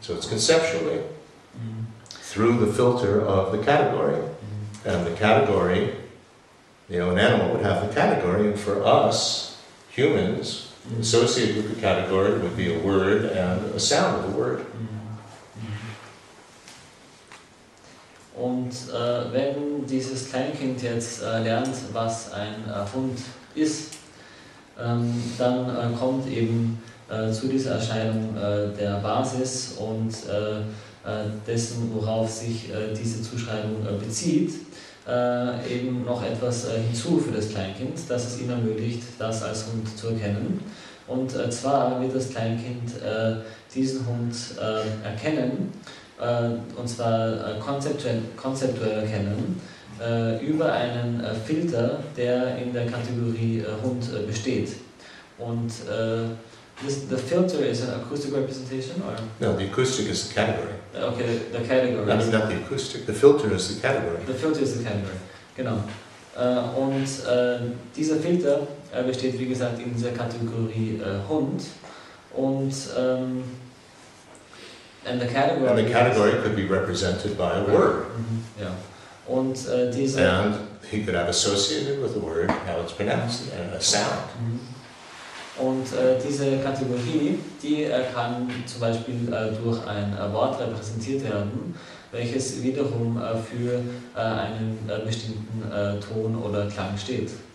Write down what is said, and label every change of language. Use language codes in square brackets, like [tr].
[en] So it's conceptually, through the filter of the category. Mm-hmm. And the category, an animal would have the category, and for us, humans, associated with the category would be a word and a sound of the word. [de] Und wenn dieses Kleinkind jetzt lernt, was ein Hund ist, dann kommt eben zu dieser Erscheinung der Basis und dessen, worauf sich diese Zuschreibung bezieht, eben noch etwas hinzu für das Kleinkind, das es ihm ermöglicht, das als Hund zu erkennen. Und zwar wird das Kleinkind diesen Hund erkennen, und zwar konzeptuell erkennen, über einen Filter, der in der Kategorie Hund besteht. [en] Und the filter is an acoustic representation, or? No, the acoustic is the category. Okay, the category. I mean, not the acoustic, the filter is the category. The filter is the category, genau. [de] Und dieser Filter besteht, wie gesagt, in dieser Kategorie Hund. Und [en] and the category could be represented by a word. [de] Mm-hmm. Yeah. Und diese. [en] And he could have associated with the word how it's pronounced, a sound. Mm-hmm. [de] Und diese Kategorie, die kann zum Beispiel durch ein Wort repräsentiert werden, welches wiederum für einen bestimmten Ton oder Klang steht.